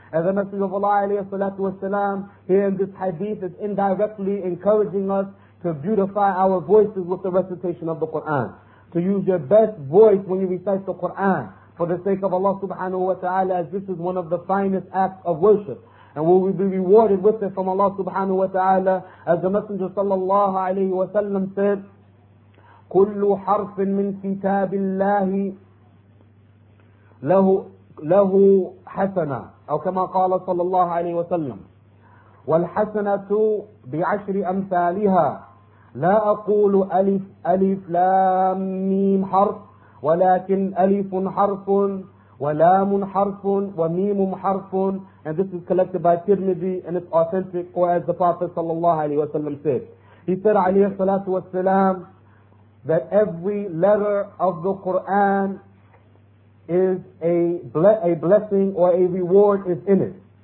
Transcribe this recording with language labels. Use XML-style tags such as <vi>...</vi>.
<en>And the Messenger of Allah alayhi salatu wa sallam here in this hadith is indirectly encouraging us to beautify our voices with the recitation of the Quran. To use your best voice when you recite the Quran for the sake of Allah subhanahu wa ta'ala, as this is one of the finest acts of worship. And will we be rewarded with it from Allah subhanahu wa ta'ala, as the Messenger sallallahu alayhi wa sallam said,</en> <ar>كُلُّ حَرْفٍ مِّن كِتَابِ اللَّهِ لَهُ حَسَنَةً أو كما قال صلى الله عليه وسلم والحسنة بعشر أمثالها لا أقول ألف ألف لام ميم حرف ولكن ألف حرف ولام حرف وميم حرف.</ar> <en>And this is collected by Tirmidhi and it's authentic, or as the Prophet</en> <ar>صلى الله عليه وسلم</ar> <en>said. He said</en> <ar>عليه الصلاة والسلام</ar> <en>that every letter of the Quran is a blessing or a reward is in it.</en>